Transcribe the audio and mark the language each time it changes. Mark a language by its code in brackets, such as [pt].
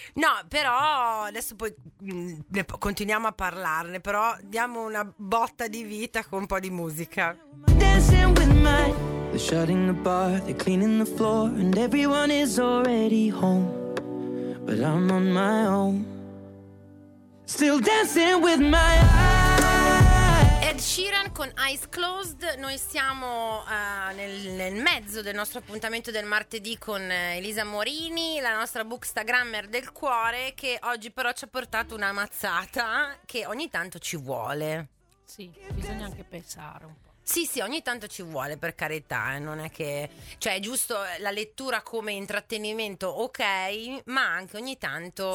[it] No, però adesso poi continuiamo a parlarne, però diamo una botta di vita con un po' di musica. [en] Dancing with my, they're shutting the bar, they're cleaning the floor, and everyone is already home, but I'm on my own, still dancing with my Ed Sheeran con Eyes Closed. [it] Noi siamo nel mezzo del nostro appuntamento del martedì con Elisa Morini, la nostra bookstagrammer del cuore, che oggi però ci ha portato una mazzata che ogni tanto ci vuole. Sì, bisogna anche pensare un po'. Sì, sì, ogni tanto ci vuole, per carità, non è che... Cioè, è giusto la lettura come intrattenimento, ok, ma anche ogni tanto...